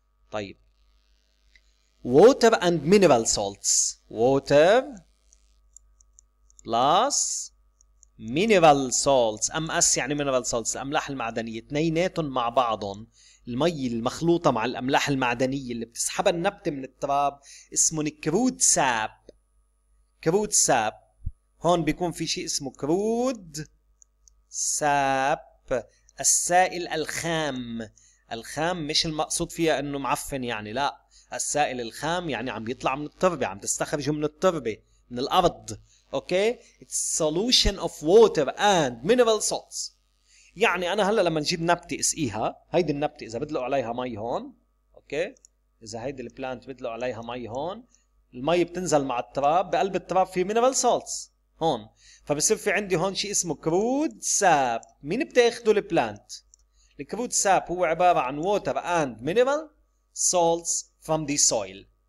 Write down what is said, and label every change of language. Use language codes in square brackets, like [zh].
[ar] طيب [en] water and mineral salts، water plus mineral salts، [ar] أمأس يعني mineral salts، الأملاح المعدنية، اثنيناتهم مع بعضهم، المي المخلوطة مع الأملاح المعدنية اللي بتسحبها النبتة من التراب اسمهم crude sap. crude sap هون بيكون في شيء اسمه كرود ساب، السائل الخام. الخام مش المقصود فيها انه معفن يعني، لا، السائل الخام يعني عم بيطلع من التربة، عم تستخرجه من التربة من الأرض. اوكي، [en] it's solution of water and mineral salts. [ar] يعني انا هلا لما نجيب نبتة اسقيها، هيدي النبتة اذا بدلق عليها مي هون، اوكي، اذا هيدي البلانت بدلق عليها مي هون، المي بتنزل مع التراب، بقلب التراب في mineral salts هون، فبصير في عندي هون شيء اسمه كرود ساب. مين بتاخده البلانت؟ الكرود ساب هو عبارة عن [en] water and mineral salts from the soil.